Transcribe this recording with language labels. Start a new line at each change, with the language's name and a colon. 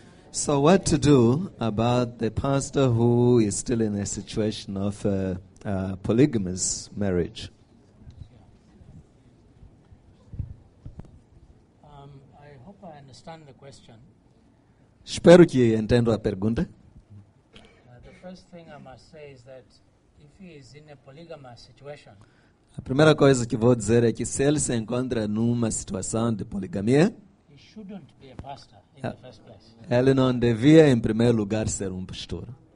English: So what to do about the pastor who is still in a situation of a polygamous marriage? I hope I understand the question.
Portuguese: Espero que entendo a pergunta.
English: The first thing I must say is that if he is in a polygamous situation,
Portuguese: a primeira coisa que vou dizer é que se ele se encontra numa situação de poligamia,
English: he shouldn't be a pastor in the first place.
Portuguese: Ele não devia, em primeiro lugar, ser um pastor.